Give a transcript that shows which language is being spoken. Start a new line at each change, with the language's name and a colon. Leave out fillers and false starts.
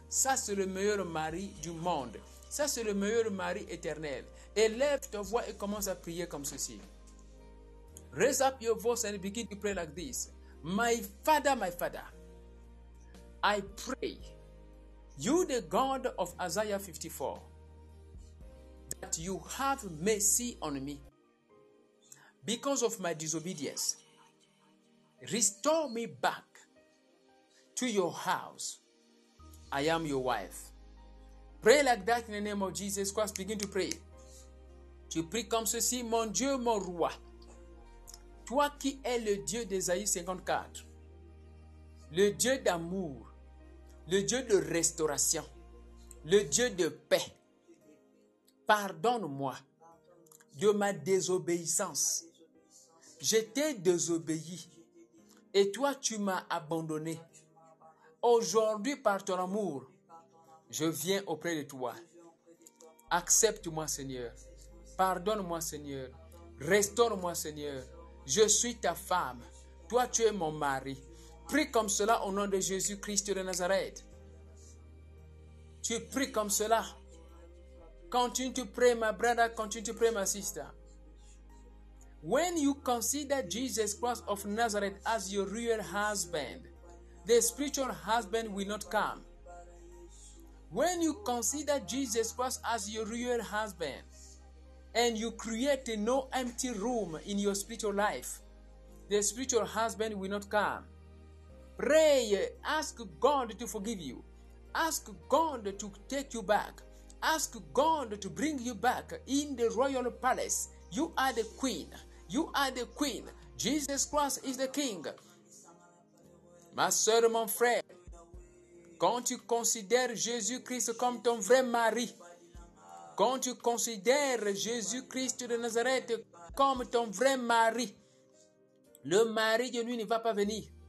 French: Ça, c'est le meilleur mari du monde. Ça, c'est le meilleur mari éternel. Élève ta voix et commence à prier comme ceci.
English: Raise up your voice and begin to pray like this. My Father, I pray, you the God of Isaiah 54, that you have mercy on me because of my disobedience. Restore me back to your house. I am your wife. Pray like that in the name of Jesus Christ. Begin to pray.
French: Tu pries comme ceci, mon Dieu, mon roi, toi qui es le Dieu d'Ésaïe 54, le Dieu d'amour, le Dieu de restauration, le Dieu de paix, pardonne-moi de ma désobéissance. J'étais désobéi et toi tu m'as abandonné. Aujourd'hui, par ton amour, je viens auprès de toi. Accepte-moi, Seigneur. Pardonne-moi, Seigneur. Restaure-moi, Seigneur. Je suis ta femme. Toi, tu es mon mari. Prie comme cela au nom de Jésus-Christ de Nazareth. Tu pries comme cela.
English: Continue to pray, my brother. Continue to pray, my sister. When you consider Jesus Christ of Nazareth as your real husband, the spiritual husband will not come. When you consider Jesus Christ as your real husband, and you create no empty room in your spiritual life, the spiritual husband will not come. Pray, ask God to forgive you. Ask God to take you back. Ask God to bring you back in the royal palace. You are the queen. You are the queen. Jesus Christ is the king.
French: Ma soeur, mon frère, quand tu considères Jésus-Christ comme ton vrai mari, quand tu considères Jésus-Christ de Nazareth comme ton vrai mari, le mari de lui ne va pas venir.